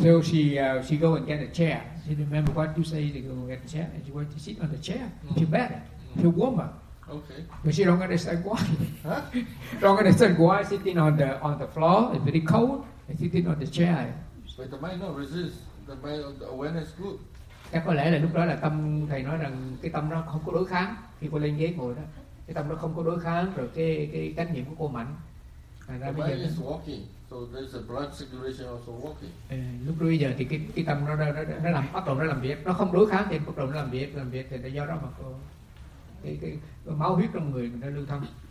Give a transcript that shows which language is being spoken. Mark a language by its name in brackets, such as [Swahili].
[English] She said that, so she go and get a chair. She remember what you say, to go and get a chair, and she went to sit on the chair. Feel better, feel warmer. Okay. But she don't understand why. Huh? Don't understand why sitting on the floor is very cold and sitting on the chair. But the mind not resist. The awareness good. [Vietnamese] Chắc có lẽ là lúc đó là tâm thầy nói rằng cái tâm nó không có đối kháng khi cô lên ghế ngồi đó, cái tâm nó không có đối kháng rồi cái trách nhiệm của cô mạnh. Thành ra bây giờ [English] is walking, so there's a blood circulation also walking. [Vietnamese] Lúc bây giờ thì cái tâm nó làm bắt đầu nó làm việc, nó không đối kháng thì bắt đầu nó làm việc thì do đó mà cô cái máu huyết trong người nó lưu thông.